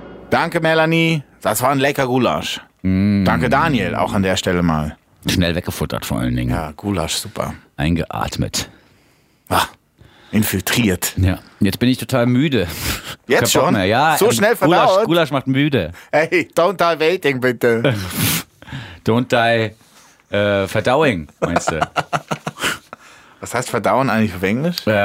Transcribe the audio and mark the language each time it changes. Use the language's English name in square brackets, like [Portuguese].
[German] Danke, Melanie. Das war ein lecker Gulasch. Danke, Daniel, auch an der Stelle mal. Schnell weggefuttert vor allen Dingen. Ja, Gulasch, super. Eingeatmet. Ach, infiltriert. Ja, jetzt bin ich total müde. Jetzt schon? Mehr. Ja, so schnell verdaut? Gulasch macht müde. [English] Hey, don't die waiting, [German] bitte. [English] Don't die [German] verdauing, meinst du? Was heißt verdauen eigentlich auf Englisch?